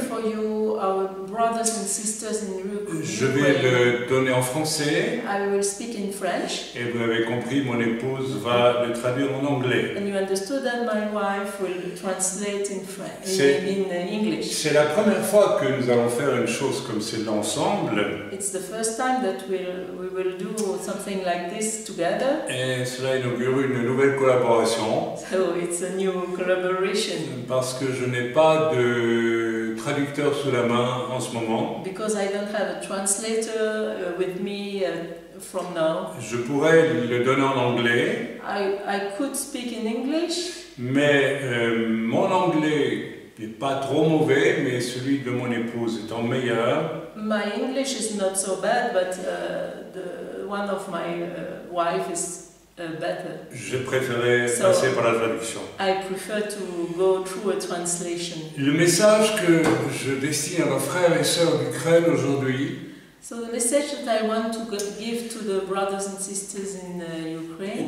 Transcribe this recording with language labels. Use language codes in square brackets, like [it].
[en] For you, our brothers and sisters in Ukraine. [fr] Je vais le donner en français. [en] I will speak in French. [fr] Et vous avez compris, mon épouse va le traduire en anglais. [en] And you understood that my wife will translate in French. In English. [fr] C'est la première fois que nous allons faire une chose comme celle-là ensemble. [en] It's the first time that we will do something like this together. [fr] Et cela inaugure une nouvelle collaboration. [en] So it's a new collaboration. [fr] Parce que je n'ai pas de traducteur sous la main en ce moment. [en] Because I don't have a translator with me from now. [fr] Je pourrais le donner en anglais. [en] I could speak in English. [fr] Mais mon anglais n'est pas trop mauvais, mais celui de mon épouse est en meilleur. [en] My English is not so bad, but the one of my wife is better. [fr] Je préférais passer par la traduction. [en] I prefer to go through a translation. [fr] Le message que je destine à nos frères et sœurs d'Ukraine aujourd'hui. [en] So the message that I want to give to the brothers and sisters in Ukraine.